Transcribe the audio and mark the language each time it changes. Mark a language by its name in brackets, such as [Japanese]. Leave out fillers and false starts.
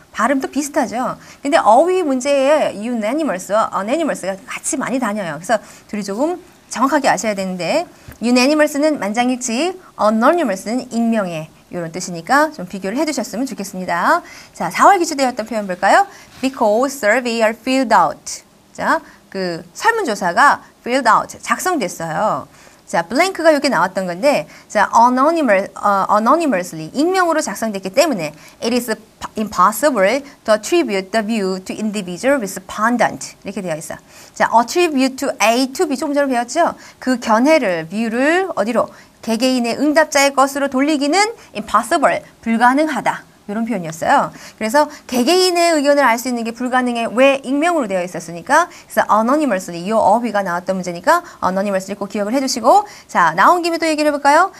[Korean] 발음도 비슷하죠. 근데 어휘 문제에 unanimous와 anonymous가 같이 많이 다녀요. 그래서 둘이 조금 정확하게 아셔야 되는데 unanimous는 만장일치, anonymous는 익명의 이런 뜻이니까 좀 비교를 해두셨으면 좋겠습니다. 자, 4월 기출되었던 표현 볼까요? [English] Because survey are filled out. [Korean] 자, 그 설문조사가 filled out, 작성됐어요. 자, blank가 이렇게 나왔던 건데 자, anonymously, 익명으로 작성됐기 때문에 [English] it is impossible to attribute the view to individual respondent [Korean] 이렇게 되어 있어. 자, attribute to A to B 조금 전에 배웠죠? 그 견해를, view를 어디로? 개개인의 응답자의 것으로 돌리기는 impossible, 불가능하다. 이런 표현이었어요. 그래서 개개인의 의견을 알 수 있는 게 불가능해. 왜? 익명으로 되어 있었으니까. 그래서 anonymously, 이 어휘가 나왔던 문제니까 anonymously 꼭 기억을 해주시고 자, 나온 김에 또 얘기를 해볼까요?